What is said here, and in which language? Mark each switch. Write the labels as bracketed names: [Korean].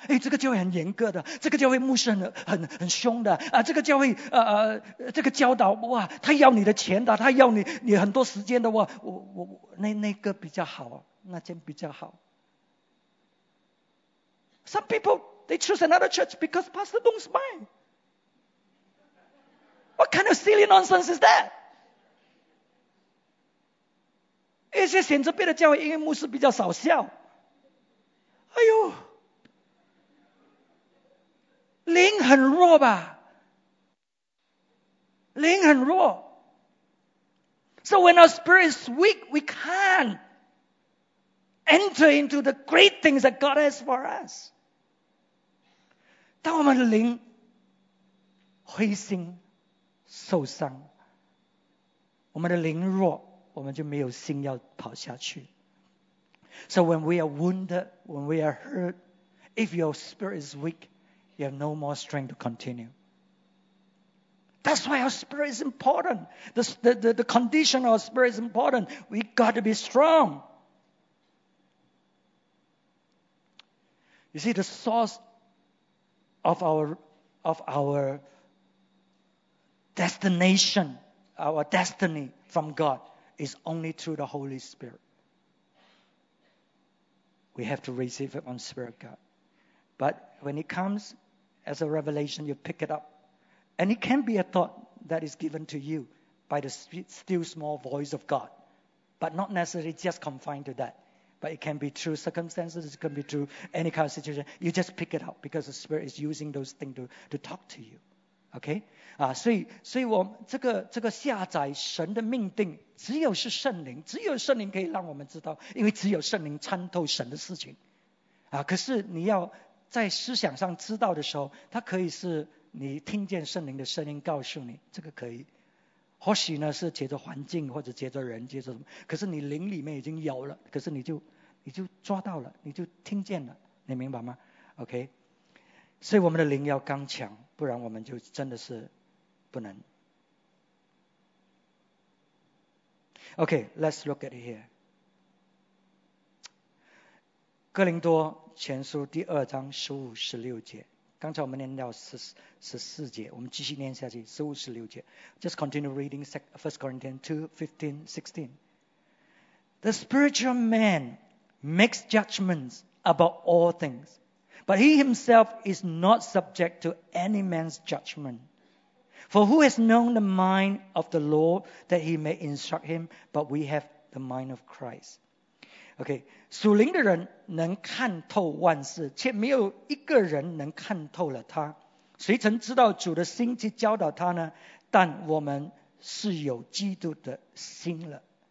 [Chinese] 哎，这个教会很严格的，这个教会牧师很凶的，啊，这个教会这个教导哇，他要你的钱的，他要你很多时间的哇，我那个比较好，那间比较好。 [English] Some people they choose another church because pastor don't smile. What kind of silly nonsense is that? [Chinese] 一些选择别的教会，因为牧师比较少笑。哎呦，灵很弱吧？灵很弱。 [English] So when our spirit is weak, we can't enter into the great things that God has for us. [Chinese] 当我们灵灰心、受伤，我们的灵弱，我们就没有心要跑下去。 [English] So when we are wounded, when we are hurt, if your spirit is weak, you have no more strength to continue. That's why our spirit is important. The condition of our spirit is important. We got to be strong. You see, the source of our destination, our destiny from God is only through the Holy Spirit. We have to receive it on Spirit of God. But when it comes as a revelation, you pick it up. And it can be a thought that is given to you by the still small voice of God. But not necessarily just confined to that. But it can be through circumstances, it can be through any kind of situation. You just pick it up because the Spirit is using those things to talk to you. Okay? [Chinese] 所以我这个下载神的命定只有是圣灵，只有圣灵可以让我们知道，因为只有圣灵参透神的事情。可是你要在思想上知道的时候，它可以是你听见圣灵的声音告诉你，这个可以。或许呢是接着环境或者接着人接着什么，可是你灵里面已经有了，可是你就抓到了，你就听见了，你明白吗 ？ [English] OK， [Chinese] 所以我们的灵要刚强，不然我们就真的是不能。 [English] Okay, let's look at it here. [Chinese] 哥林多前书第二章十五十六节，刚才我们念到十四节，我们继续念下去，十五十六节。 [English] Just continue reading First Corinthians 2:15-16. The spiritual man makes judgments about all things, but he himself is not subject to any man's judgment. For who has known the mind of the Lord that he may instruct him? But we have the mind of Christ. Okay, [Chinese] 属灵的人能看透万事，却没有一个人能看透了他。谁曾知道主的心去教导他呢？但我们是有基督的心了。